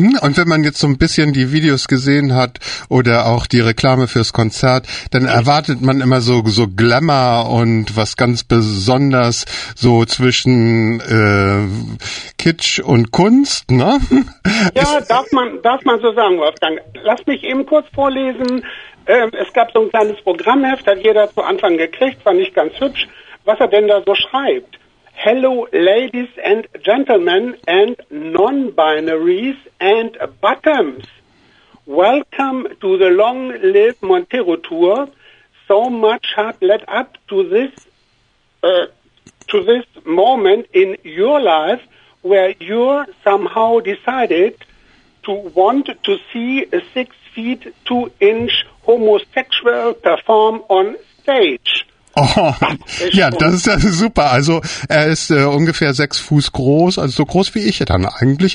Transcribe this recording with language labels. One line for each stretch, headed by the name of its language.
German: Und wenn man jetzt so ein bisschen die Videos gesehen hat oder auch die Reklame fürs Konzert, dann erwartet man immer so Glamour und was ganz besonders so zwischen Kitsch und Kunst, ne? Ja, darf man so sagen, Wolfgang. Lass mich eben kurz vorlesen. Es gab so ein kleines Programmheft, hat jeder zu Anfang gekriegt, fand ich ganz hübsch, was er denn da so schreibt.
English: Hello, ladies and gentlemen and non-binaries and bottoms. Welcome to the Long Live Montero Tour. So much had led up to this moment in your life where you somehow decided to want to see a 6'2" homosexual perform on stage.
German: Oh, ja, das ist ja super. Also er ist ungefähr 6 Fuß groß, also so groß wie ich dann eigentlich.